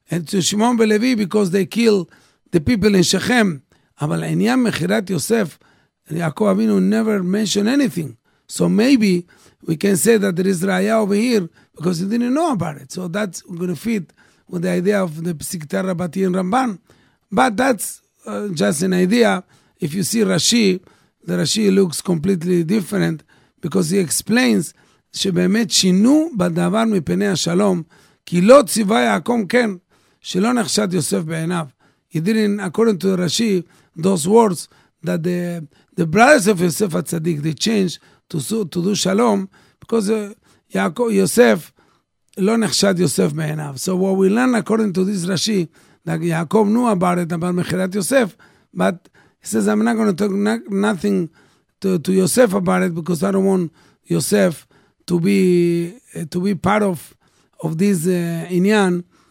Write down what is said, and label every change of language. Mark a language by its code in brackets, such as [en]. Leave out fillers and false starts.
[en] And to Shimon Belevi, because they kill the people in Shechem, [he] אבל עניין מחירת יוסף, יעקב אבינו [en] never mentioned anything. So maybe we can say that there is ראייה over here because he didn't know about it. So that's going to fit with the idea of the פסיקתא רבתי in Ramban. But that's just an idea. If you see Rashi, the Rashi looks completely different because he explains [he] שבאמת שינו בדבר מפני השלום כי לא ציווה יעקב כן שלא נחשד יוסף בעיניו. [en] He didn't, according to Rashi, those words that the brothers of Yosef HaTzadik, they changed to do shalom because Yosef lo nechshad Yosef me'enav. So what we learn according to this Rashi, that Yaakov knew about it, about Mechirat Yosef, but he says, I'm not going to talk nothing to Yosef about it because I don't want Yosef to be part of this inyan.